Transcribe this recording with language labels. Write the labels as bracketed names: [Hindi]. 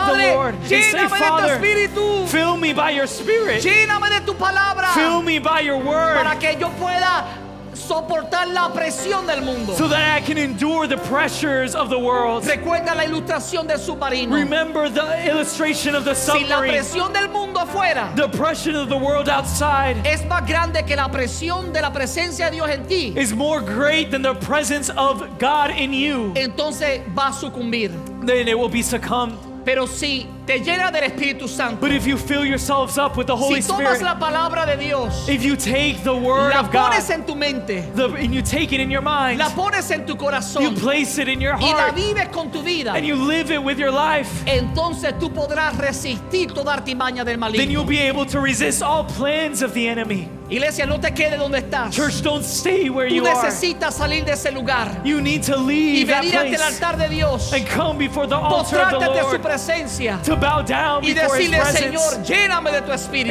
[English] of the Lord, and say, Father, fill me by your Spirit. Fill me by your word. [Spanish] Para que yo pueda soportar la presión del mundo. [English] So that I can endure the pressures of the world. [Spanish] Recuerda la ilustración del submarino. [English] Remember the illustration of the submarine. [Spanish] Si la presión del mundo fuera, [English] the pressure of the world outside, [Spanish] es más grande que la presión de la presencia de Dios en ti, [English] is more great than the presence of God in you. [Spanish] Entonces va a sucumbir. [English] Then it will be succumbed. [Spanish] Pero si te llena del Espíritu Santo, [English] but if you fill yourselves up with the Holy [Spanish] si tomas [English] Spirit, [Spanish] la palabra de Dios, [English] if you take the word [Spanish] la [English] of God [Spanish] pones en tu mente, [English] the, and you take it in your mind, [Spanish] la pones en tu corazón, [English] you place it in your heart, [Spanish] y la vives con tu vida, [English] and you live it with your life, [Spanish] entonces tú podrás resistir toda artimaña del maligno. [English] Then you'll be able to resist all plans of the enemy. [Spanish] Iglesia, no te quedes donde estás. [English] Church, don't stay where [Spanish] tú [English] you [Spanish] necesitas [English] are. [Spanish] Salir de ese lugar. [English] You need to leave [Spanish] y venir [English] that place [Spanish] ante el altar de Dios, [English] and come before the altar of the Lord, [Spanish] su presencia, [English] to bow down [Spanish] y [English] before [Spanish] decirle, [English] His presence, [Spanish] Señor, lléname de tu espíritu,